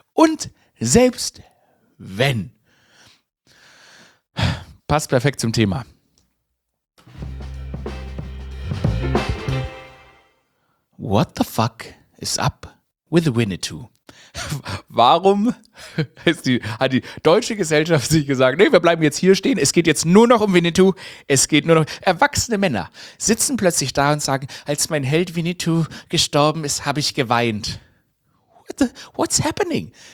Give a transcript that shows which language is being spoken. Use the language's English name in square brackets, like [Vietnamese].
[German] Und selbst wenn. Passt perfekt zum Thema. [English] What the fuck is up with Winnetou? [German] Warum hat die deutsche Gesellschaft sich gesagt, nee, wir bleiben jetzt hier stehen, es geht jetzt nur noch um Winnetou, es geht nur noch, erwachsene Männer sitzen plötzlich da und sagen, als mein Held Winnetou gestorben ist, habe ich geweint. [English] What's happening?